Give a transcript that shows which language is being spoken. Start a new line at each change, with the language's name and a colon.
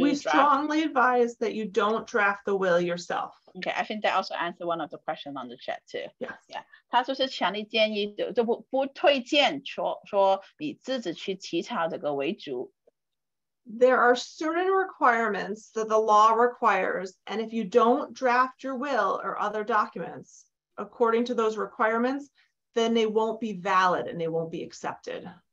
English: We strongly advise that you don't draft the will yourself. Okay, I think that also answered one of the questions on the chat too. Yes. Yeah.
Chinese: 他就是强烈建议，就不推荐说你自己去起草这个遗嘱。
English: There are certain requirements that the law requires, and if you don't draft your will or other documents according to those requirements, then they won't be valid and they won't be accepted.